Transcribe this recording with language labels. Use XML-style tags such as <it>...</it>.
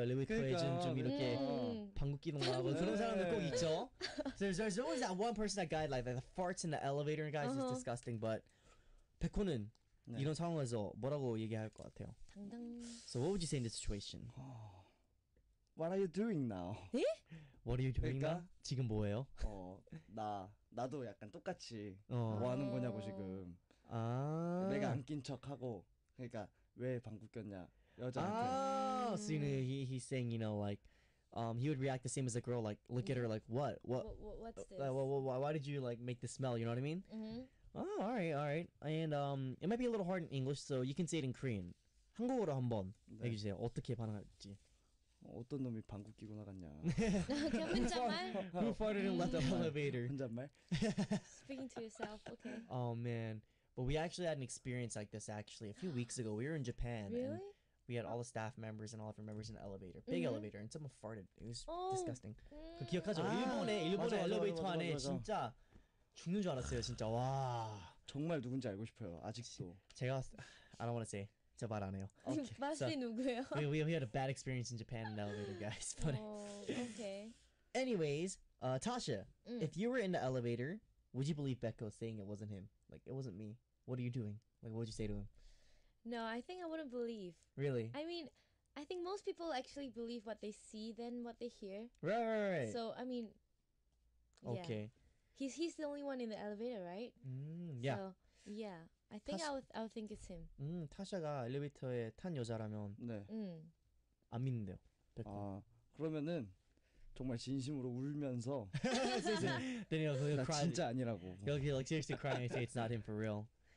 <ko>엘리베이터에 좀 이렇게 방귀기둥 나고 그런 사람들 꼭 있죠.</ko> <en>So there's always that one person that guy like the farts in the elevator, guys. It's disgusting. But</en> <ko>백호는 이런 상황에서 뭐라고 얘기할 것 같아요? 당당.</ko> <en>So what would you say in this situation? What are you doing now? What are you doing</en> <ko>그러니까?</ko> <en>now?</en> <ko>지금 뭐예요? 나도 약간 똑같이 뭐 하는 거냐고 지금. 아. 내가 안 낀 척하고 그러니까 왜 방귀 꼈냐 여자한테.</ko> <en>아, so you know, he's saying, you know, like, he would react the same as a girl, like, look at her, like, what's this? Why did you, like, make the smell, you know what I mean? Mm-hmm. Oh, alright. And, it might be a little hard in English, so you can say it in Korean.</en> <ko>한국어로 한번 얘기해주세요. 어떻게 반응할지. 어떤 놈이 방귀 끼고 나갔냐. 혼잣말?</ko> <en>Who farted and left the elevator?</en> <ko>혼잣말?</ko> <en>Speaking to yourself, okay. Oh, man. But we actually had an experience like this, actually. A few weeks ago, we were in Japan. Really? And We had all the staff members and all of our members in the elevator. Big mm-hmm. elevator. And someone farted. It was disgusting.</en> <ko>그 기억하죠? 일본의 일본의 엘리베이터 안에 진짜 죽는 줄 알았어요. 진짜 와. 정말 누군지 알고 싶어요. 아직도. 제가</ko> <en>I don't want to say.</en> <ko>저 말 안 해요. 마시 누구예요?</ko> <en>We had a bad experience in Japan in the elevator, guys. But okay. Anyways, Tasha, if you were in the elevator, would you believe Baekho saying it wasn't him? Like, it wasn't me. What are you doing? Like, what would you say to him? No, I think I wouldn't believe. Really? I mean, I think most people actually believe what they see than what they hear. Right. So, I mean, okay. Yeah. He's the only one in the elevator, right? Yeah. So, yeah. I think I would think it's him.</en> <ko>타샤가 엘리베이터에 탄 여자라면 네. 안 믿는데요. 아, 그러면은 정말 진심으로 울면서</ko> <en>then he'll cry.</en> <ko>진짜 아니라고.</ko> <en>He'll like seriously cry and say it's not him for real.</en>